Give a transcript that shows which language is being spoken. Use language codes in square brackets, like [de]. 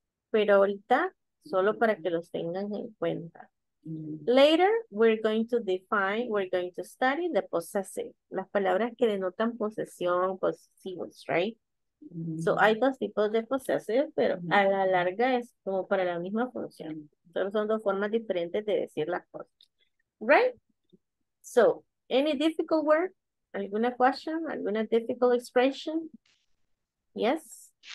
[es] Pero ahorita, solo para que los tengan en cuenta. [en] Later, we're going to define, we're going to study the possessive. [es] Las palabras que denotan posesión, possessives, right? So, hay dos tipos de possessive, pero a la larga es como para la misma función. Solo son dos formas diferentes de decir las cosas. [en] Right? So, any difficult word? [es] ¿Alguna [en] question? [es] ¿Alguna [en] difficult expression? Yes.